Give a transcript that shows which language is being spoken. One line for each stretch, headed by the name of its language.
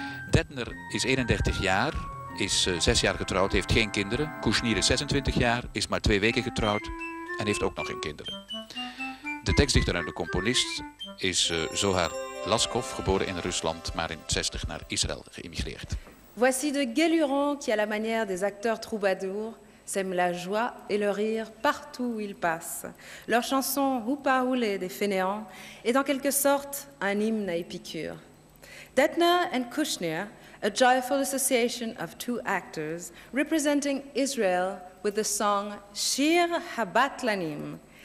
Dutch: Detmer is 31 jaar. Is 6 jaar getrouwd, heeft geen kinderen. Kushnir is 26 jaar, is maar 2 weken getrouwd en heeft ook nog geen kinderen. De tekstdichter en de componist is Zohar Laskov, geboren in Rusland, maar in 60 naar Israël geëmigreerd.
French: Voici de Guéluron qui, à la manière des acteurs troubadours, sème la joie et le rire partout où il passe. Leur chanson Hoopa Hoole des Fainéants est en quelque sorte un hymne à Épicure.
English: Detmer and Kushnir, a joyful association of two actors representing Israel with the song Shir Habat Lanim.